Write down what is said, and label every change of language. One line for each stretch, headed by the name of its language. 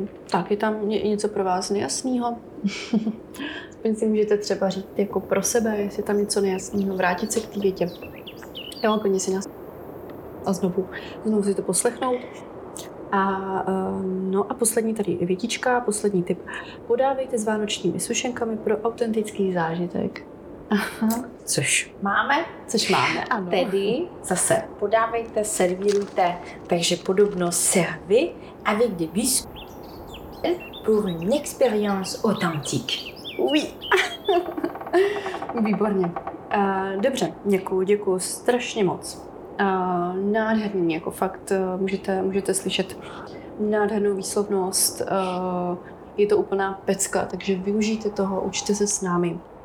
Czech: Tak je tam něco pro vás nejasného. Aspoň si můžete třeba říct jako pro sebe, jestli tam něco nejasného, vrátit se k té větě. Jo, koně si nás... a znovu si to poslechnout. A poslední tady větička, poslední tip. Podávejte s vánočními sušenkami pro autentický zážitek. Aha. Což máme, ano. Tedy zase podávejte, servírujte, takže podobno
French: servir avec des biscuits pour une expérience authentique. Oui.
Czech: Výborně. Dobře, děkuju strašně moc. Nádherný, jako fakt, můžete slyšet nádhernou výslovnost. Je to úplná pecka, takže využijte toho, učte se s námi.